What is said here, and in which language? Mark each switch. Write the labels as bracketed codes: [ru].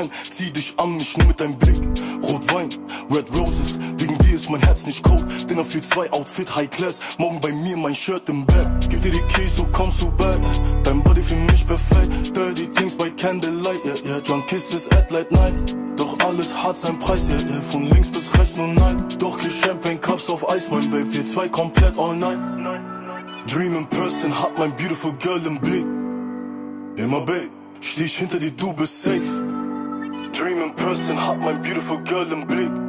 [de] Zieh dich an mich nur mit deinem Blick. Rotwein, [en] Red Roses, [de] wegen dir ist mein Herz nicht cold. Dinner für zwei, Outfit High Class, morgen bei mir mein Shirt im Bett. Gib dir die Keys, so kommst du back. Dein Body für mich perfekt. [en] Dirty Things by Candlelight, yeah, yeah. Drunk Kisses at late night. [de] Doch alles hat seinen Preis, yeah, yeah. Von links bis rechts nur nein. Doch kein Champagne, Cups auf Eis, mein Babe. Wir zwei komplett [en] all night. Dream in person, [de] hat mein beautiful girl im Blick. Immer Babe, steh ich hinter dir, du bist safe. [en] Dream in person, hot my beautiful girl in blue.